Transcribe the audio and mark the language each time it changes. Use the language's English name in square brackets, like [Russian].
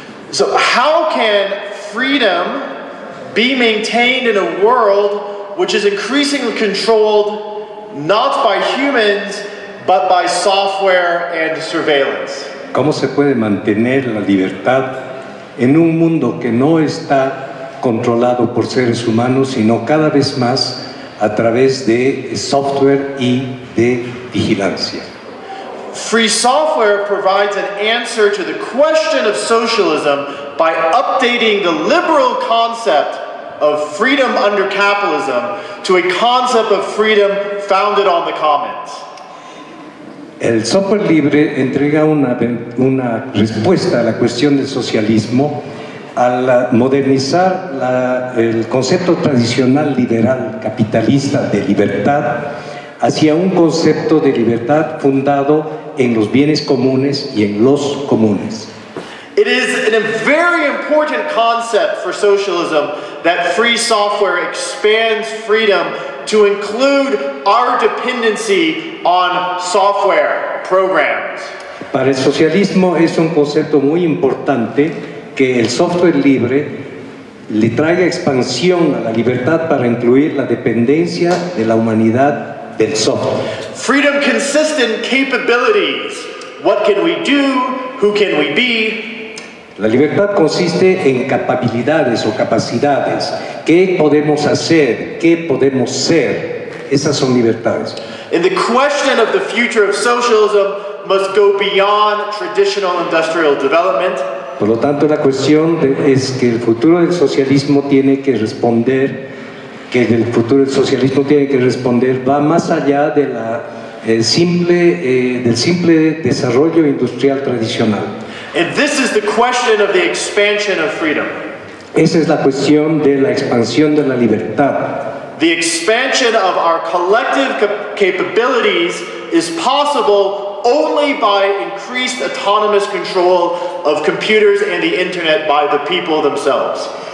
[English] So, how can freedom be maintained in a world which is increasingly controlled not by humans, but by software and surveillance? [Spanish] ¿Cómo se puede mantener la libertad en un mundo que no está controlado por seres humanos, sino cada vez más a través de software y de vigilancia? [English] Free software provides an answer to the question of socialism by updating the liberal concept of freedom under capitalism to a concept of freedom founded on the commons. [Spanish] El software libre entrega una respuesta a la cuestión del socialismo al modernizar el concepto tradicional liberal capitalista de libertad hacia un concepto de libertad fundado en los bienes comunes y en los comunes. [English] It is a very important concept for socialism that free software expands freedom to include our dependency on software programs. [Spanish] Para el socialismo es un concepto muy importante que el software libre le traiga expansión a la libertad para incluir la dependencia de la humanidad del software. [English] Freedom consists in capabilities. What can we do? Who can we be? [Spanish] La libertad consiste en capacidades o capacidades. ¿Qué podemos hacer? ¿Qué podemos ser? Esas son libertades. [English] And the question of the future of socialism must go beyond traditional industrial development. [Spanish] Por lo tanto, la cuestión es que el futuro del socialismo tiene que responder, que el futuro del socialismo tiene que responder, va más allá de la del simple desarrollo industrial tradicional. [English] And this is the question of the expansion of freedom. [Spanish] Esa es la cuestión de la expansión de la libertad. [English] The expansion of our collective capabilities is possible only by increased autonomous control of computers and the internet by the people themselves.